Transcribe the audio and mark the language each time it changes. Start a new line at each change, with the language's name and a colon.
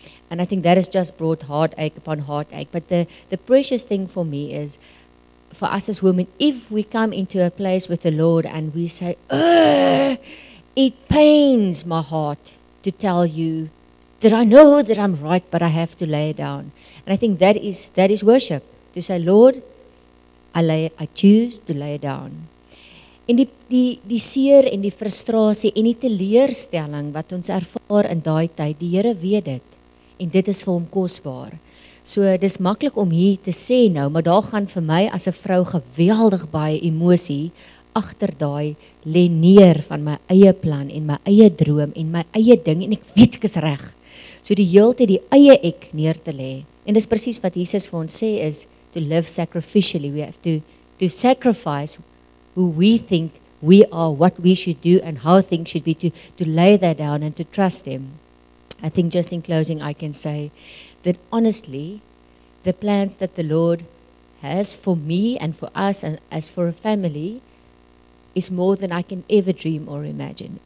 English: And I think that has just brought heartache upon heartache. But the precious thing for me is, for us as women, if we come into a place with the Lord and we say, it pains my heart to tell you that I know that I'm right, but I have to lay it down. And I think that is worship, to say, Lord, I choose to lay it down.
Afrikaans: En die seer en die frustrasie en die teleurstelling wat ons ervaar in daai tyd, die Here weet dit. En dit is vir hom kosbaar. So dis maklik om hier te sê nou, maar daar gaan vir my as 'n vrou geweldig baie emosie agter daai leneer van my eie plan en my eie droom en my eie ding en ek weet ek is reg. So die heeltyd die eie ek neer te lê. En dis presies wat Jesus vir ons sê is
English: to live sacrificially. We have to sacrifice who we think we are, what we should do, and how things should be, to lay that down and to trust Him. I think just in closing, I can say that honestly, the plans that the Lord has for me and for us and as for a family is more than I can ever dream or imagine.